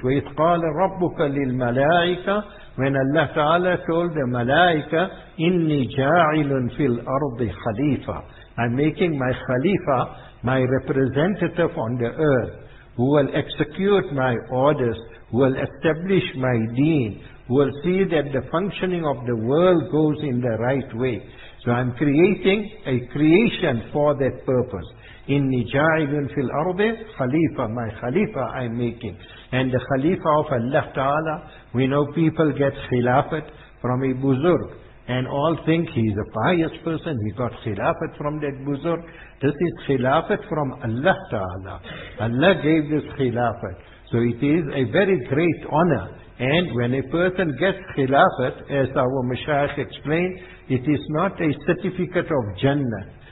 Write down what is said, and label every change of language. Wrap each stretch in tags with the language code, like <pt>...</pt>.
<ar>وَإِذْ قَالَ رَبُّكَ لِلْمَلَائِكَةِ,</ar> <en>when Allah Ta'ala told the Malaika,</en> <ar>إِنِّي جَاعِلٌ فِي الْأَرْضِ خَلِيفَةً,</ar> <en>I'm making my Khalifa, my representative on the earth, who will execute my orders, who will establish my deen, who will see that the functioning of the world goes in the right way. So I'm creating a creation for that purpose.</en> <ar>إِنِّي جَاعِلٌ فِي الْأَرْضِ خَلِيفَةً,</ar> <en>my Khalifa I'm making. And the Khalifa of Allah Ta'ala, we know people get Khilafat from a Buzurg, and all think he's a pious person, he got Khilafat from that Buzurg. This is Khilafat from Allah Ta'ala. Allah gave this Khilafat. So it is a very great honor. And when a person gets Khilafat, as our Mashaykh explained, it is not a certificate of Jannah.</en>